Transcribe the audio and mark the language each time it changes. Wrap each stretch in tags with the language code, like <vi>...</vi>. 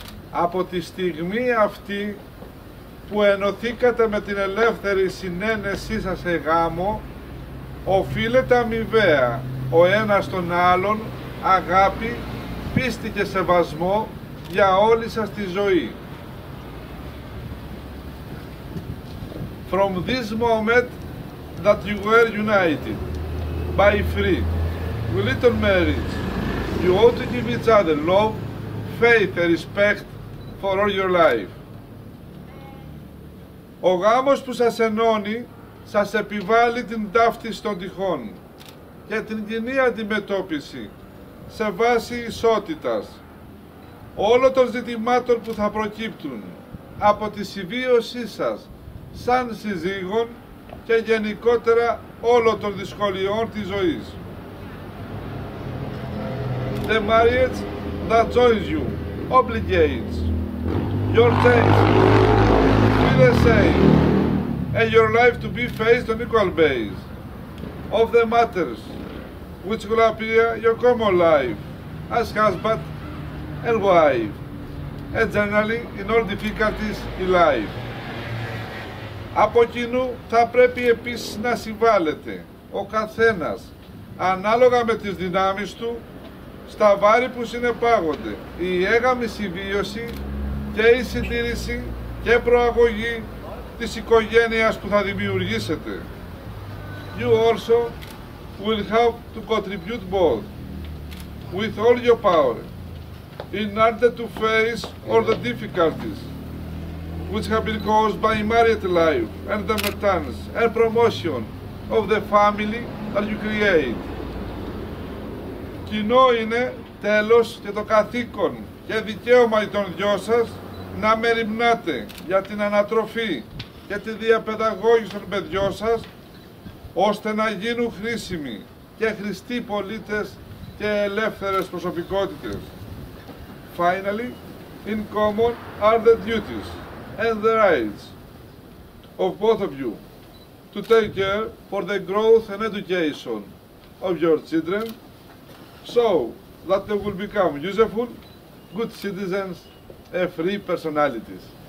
<el>Από τη στιγμή αυτή που ενωθήκατε με την ελεύθερη συνένεσή σας σε γάμο, οφείλετε αμοιβαία ο ένας τον άλλον αγάπη, πίστη και σεβασμό για όλη σας τη ζωή.</el> <en>From this moment that you were united, by free, we little marriage, you ought to give each other love, faith and respect for all your life.</en> <el>Ο γάμος που σας ενώνει, σας επιβάλλει την ταύτιση των τυχών και την κοινή αντιμετώπιση σε βάση ισότητας όλων των ζητημάτων που θα προκύπτουν από τη συμβίωσή σας σαν συζύγων και γενικότερα όλων των δυσκολιών της ζωής.</el> <en>The marriage that joins you obligates your taste be the same and your life to be faced on equal base of the matters which will appear your common life as husband and wife and generally in all difficulties in life.</en> <el>Από κοινού θα πρέπει επίσης να συμβάλλεται ο καθένας ανάλογα με τις δυνάμεις του στα βάρη που συνεπάγονται η έγαμη συμβίωση και η συντήρηση και προαγωγή της οικογένειας που θα δημιουργήσετε.</el> <en>You also will have to contribute both with all your power in order to face all the difficulties which have been caused by married life and the maintenance and promotion of the family that you create.</en> <el>Κοινό είναι τέλος και το καθήκον και δικαίωμα των δυο σας να μεριμνάτε για την ανατροφή και τη διαπαιδαγώγηση των παιδιών σας, ώστε να γίνουν χρήσιμοι και χρηστοί πολίτες και ελεύθερες προσωπικότητες.</el> <en>Finally, in common are the duties and the rights of both of you to take care for the growth and education of your children so that they will become useful, good citizens, a free personalities.</en>